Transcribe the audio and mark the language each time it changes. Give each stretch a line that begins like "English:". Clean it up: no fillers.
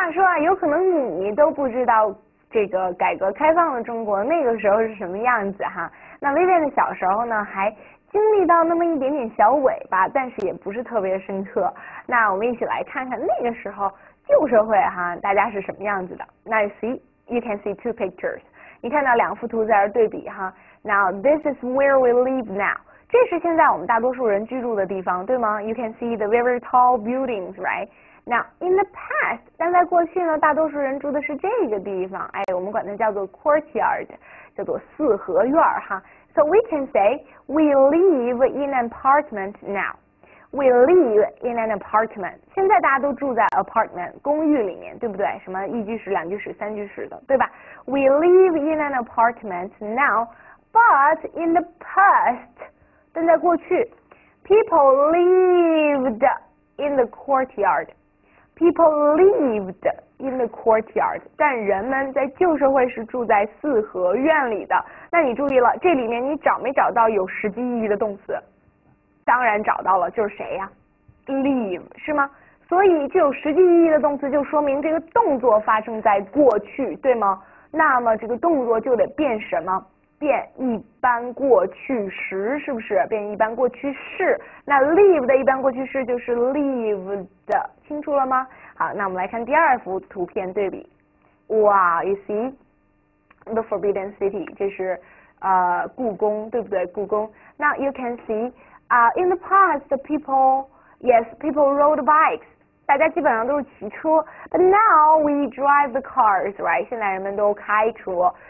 Chinese: 说啊，有可能你都不知道这个改革开放的中国那个时候是什么样子哈。那薇薇的小时候呢，还经历到那么一点点小尾巴，但是也不是特别深刻。那我们一起来看看那个时候旧社会哈，大家是什么样子的。那
English: you can see two pictures，
Chinese: 你看到两幅图在这对比哈。
English: Now this is where we live now，
Chinese: 这是现在我们大多数人居住的地方，对吗？
English: You can see the very tall buildings，right？ Now, in the past，
Chinese: 但在过去呢，大多数人住的是这个地方，哎，我们管它叫做 courtyard，叫做四合院儿哈。
English: So we can say we live in an apartment now. We live in an apartment.
Chinese: 现在大家都住在 apartment 公寓里面，对不对？什么一居室、两居室、三居室的，对吧？
English: We live in an apartment now, but in the past，
Chinese: 但在过去，
English: people lived in the courtyard。 People lived in the courtyard，
Chinese: 但人们在旧社会是住在四合院里的。那你注意了，这里面你找没找到有实际意义的动词？当然找到了，就是谁呀？Live 是吗？所以这有实际意义的动词，就说明这个动作发生在过去，对吗？那么这个动作就得变什么？变一般过去时，是不是？变一般过去式。那 live 的一般过去式就是 lived，清楚了吗？好，那我们来看第二幅图片对比。
English: 哇，you see the Forbidden City，
Chinese: 这是故宫，对不对？故宫。
English: 那 you can see 啊，in the past people rode bikes，
Chinese: 大家基本上都是骑车。
English: But now we drive the cars，right？
Chinese: 现在人们都开车。